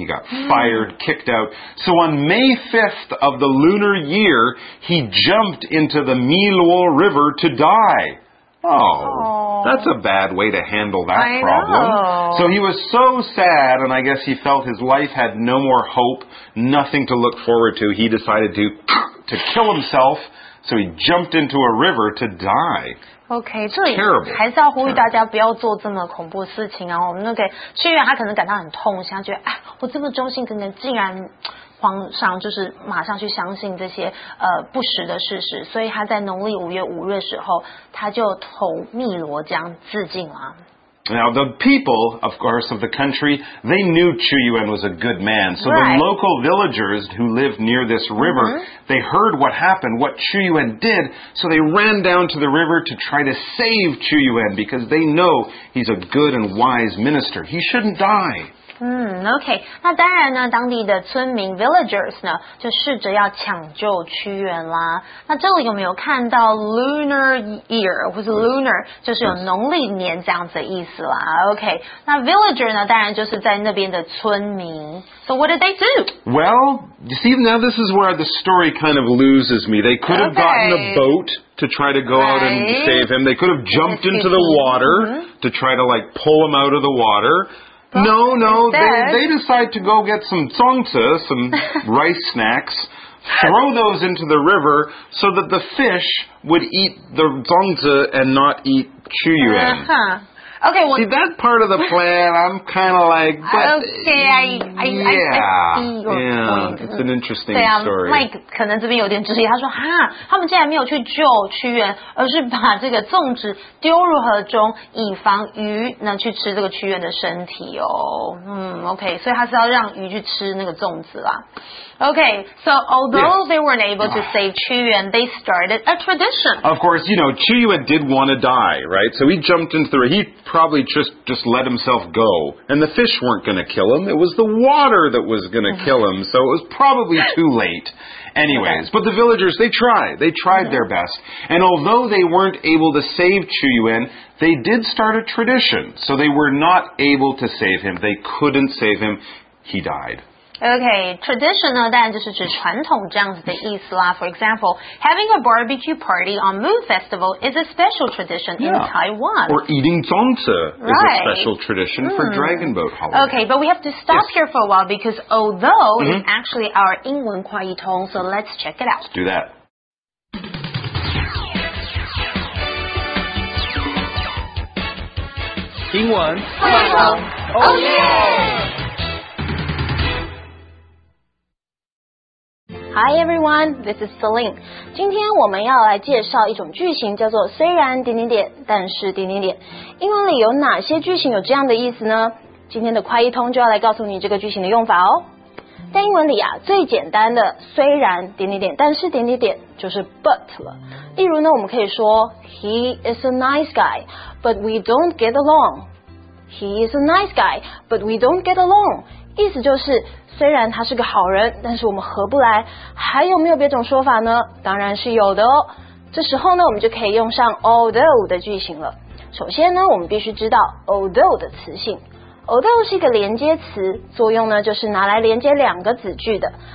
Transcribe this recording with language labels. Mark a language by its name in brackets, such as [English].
[English] He got fired, kicked out. So on May 5th of the lunar year, he jumped into the Miluo River to die. Oh, that's a bad way to handle that problem. So he was so sad, and I guess he felt his life had no more hope, nothing to look forward to. He decided to kill himself, so he jumped into a river to die. [Chinese] OK, 这里还是要呼吁大家不要做这么恐怖的事情啊。我们 OK, 屈原他可能感到很痛，他觉得哎，我这么忠心耿耿，竟然皇上就是马上去相信这些不实的事实，所以他在农历五月五日的时候他就投汨罗江自尽了。 [English] Now, the people, of course, of the country, they knew Chu Yuan was a good man. So the local villagers who lived near this river, they heard what happened, what Chu Yuan did. So they ran down to the river to try to save Chu Yuan because they know he's a good and wise minister. He shouldn't die. [Chinese] OK, 那当然呢当地的村民 villagers 呢就试着要抢救屈原啦。那这里有没有看到 lunar year, 或是 lunar, 就是有农历年这样子的意思啦。 OK, 那 villager 呢当然就是在那边的村民。 [English] So what did they do? Well, you see, now this is where the story kind of loses me. They could have gotten a boat to try to go out and save him. They could have jumped into the water to try to like pull him out of the water. No, they decide to go get some zongzi, some rice snacks, throw those into the river so that the fish would eat the zongzi and not eat Chu Yuan. Okay, well, see, that part of the plan, I'm kind of like, but, okay, it's an interesting story. [Chinese] Mike 可能这边有点质疑，他说，哈，他们竟然没有去救屈原，而是把这个粽子丢入河中，以防鱼能去吃这个屈原的身体哦。 Okay, 所以他是要让鱼去吃那个粽子啦。 [English] Okay, so although they weren't able to save Chu Yuan, they started a tradition. Of course, you know, Chu Yuan did want to die, right? So he jumped into the river. He probably just let himself go. And the fish weren't going to kill him. It was the water that was going to kill him. So it was probably too late. Anyways, but the villagers, they tried. They tried their best. And although they weren't able to save Chu Yuan, they did start a tradition. So they were not able to save him. They couldn't save him. He died. [Chinese] Okay, tradition 呢当然就是指传统这样子的意思啦。 [English] For example, having a barbecue party on Moon Festival is a special tradition in Taiwan. Or eating zongzi is a special tradition for Dragon Boat Holiday. Okay, but we have to stop here for a while because although it's actually our 英文快译通, so let's check it out. Let's do that. English. Oh yeah! Hi everyone, this is Celine. [Chinese] 今天我们要来介绍一种句型叫做虽然点点点但是点点点。英文里有哪些句型有这样的意思呢？今天的快译通就要来告诉你这个句型的用法哦。在英文里啊，最简单的虽然点点点但是点点点就是 but 了。例如呢，我们可以说 [English] He is a nice guy, but we don't get along. [Chinese] He is a nice guy, but we don't get along. 意思就是虽然他是个好人，但是我们合不来。还有没有别种说法呢？当然是有的哦。这时候呢，我们就可以用上 although 的句型了。首先呢，我们必须知道 although 的词性。although 是一个连接词，作用呢就是拿来连接两个子句的。